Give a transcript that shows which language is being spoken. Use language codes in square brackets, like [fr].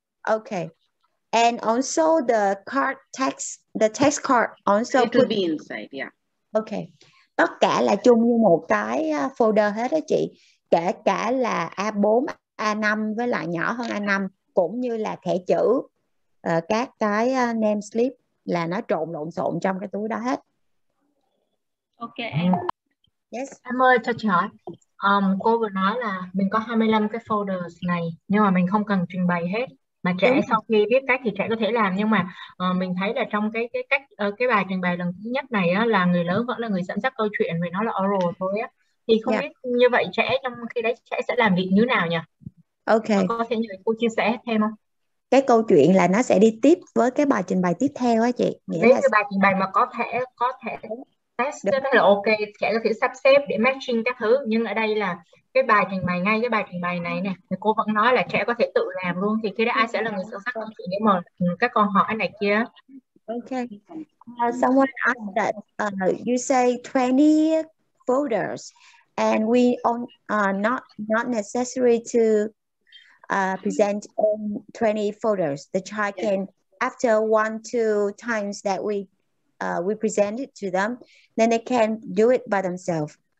[en] Okay, and also the card text, the text card also it will be inside. Yeah. [vi] Okay, tất cả là chung một cái folder hết đó chị. Kể cả là A4, A5 với lại nhỏ hơn A5, cũng như là thẻ chữ, các cái name slip. Là nó trộn lộn xộn trong cái túi đó hết. Ok em. [en] Yes. [vi] Em ơi cho chị hỏi, cô vừa nói là mình có 25 cái folders này, nhưng mà mình không cần trình bày hết, mà trẻ sau khi biết cách thì trẻ có thể làm. Nhưng mà mình thấy là trong cái bài trình bày lần thứ nhất này á, là người lớn vẫn là người dẫn dắt câu chuyện, vì nó là oral thôi á. Thì không biết như vậy trẻ trong khi đấy trẻ sẽ làm việc như nào nhỉ? [en] Ok. [vi] Cô có thể nhờ cô chia sẻ thêm không? Cái câu chuyện là nó sẽ đi tiếp với cái bài trình bày tiếp theo á chị. Nghĩa nếu là... như bài trình bày mà có thể test được. Là ok, trẻ có thể sắp xếp để matching các thứ. Nhưng ở đây là cái bài trình bày, ngay cái bài trình bày này nè, thì cô vẫn nói là trẻ có thể tự làm luôn. Thì khi đó ai sẽ là người sử dụng câu chuyện để mở các câu hỏi này kia. [en] Ok. Someone asked that you say 20 folders and we not necessary to present on 20 folders. The child can, after 1-2 times that we present it to them, then they can do it by themselves.